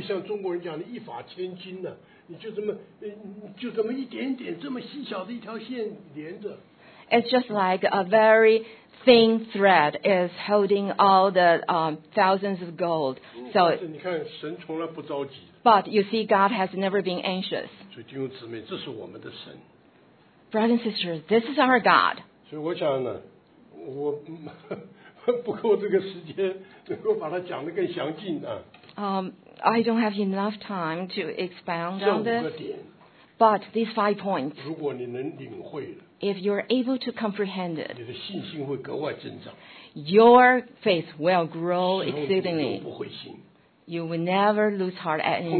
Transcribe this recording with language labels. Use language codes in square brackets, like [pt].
[zh] 就像中国人讲的，一法千金呢，你就这么，就这么一点点，这么细小的一条线连着。 [en] It's just like a very thin thread is holding all the thousands of gold. So, [zh] 但是你看，神从来不着急。 [en] But you see, God has never been anxious. [zh] 所以弟兄姊妹，这是我们的神。 [en] Brothers and sisters, this is our God. [zh] 所以我想呢，我不够这个时间能够把它讲得更详尽啊。 [en] I don't have enough time to expound on this. [zh] 这五个点。 [en] But these five points. [zh] 如果你能领会了。 [en] If you're able to comprehend it. [zh] 你的信心会格外增长。 [en] Your faith will grow exceedingly. [zh] 不灰心。 [en] You will never lose heart at any time.